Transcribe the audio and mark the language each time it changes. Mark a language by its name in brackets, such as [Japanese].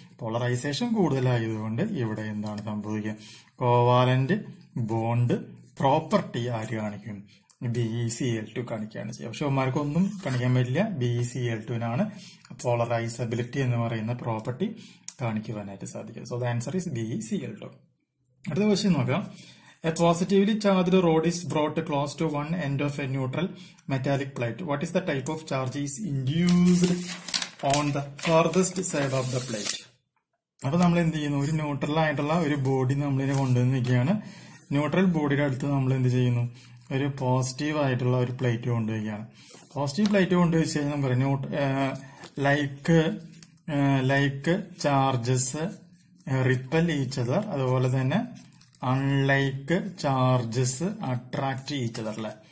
[Malayalam] Polarisation കൂടുതലായതുകൊണ്ട് ഇവിടെ എന്താണ് സംഭവിക്കുക? കോവാലന്റ് ബോണ്ട് പ്രോപ്പർട്ടി ആര് കാണിക്കും? BeCl2 കാണിക്കുകയാണ് ചെയ്യുക. പക്ഷെ ഒന്നും കാണിക്കാൻ പറ്റില്ല, BeCl2 പോളറൈസബിലിറ്റി എന്ന് പറയുന്ന പ്രോപ്പർട്ടി കാണിക്കുവാനായിട്ട് സാധിക്കും. [English] So the answer is BeCl2. [Malayalam] അടുത്ത ക്വസ്റ്റ്യൻ നോക്കാം. [English] A positively charged rod is brought close to one end of a neutral metallic plate. What is the type of charge is induced on the furthest side of the plate? [Malayalam] അപ്പോൾ നമ്മൾ എന്ത് ചെയ്യുന്നു? ഒരു neutral ആയിട്ടുള്ള ഒരു body നമ്മൾ ഇതിനെ കൊണ്ടുവന്നിരിക്കുകയാണ്. Neutral ബോഡിയുടെ അടുത്ത് നമ്മൾ എന്ത് ചെയ്യുന്നു? ഒരു പോസിറ്റീവ് ആയിട്ടുള്ള ഒരു പ്ലേറ്റ് കൊണ്ടുവരികയാണ്. പോസിറ്റീവ് പ്ലേറ്റ് കൊണ്ടുവച്ച് കഴിഞ്ഞാൽ നമുക്ക് [English] like charges repel each other, [Malayalam] അതുപോലെ തന്നെ [English] unlike charges attract each other [Malayalam] അല്ലേ.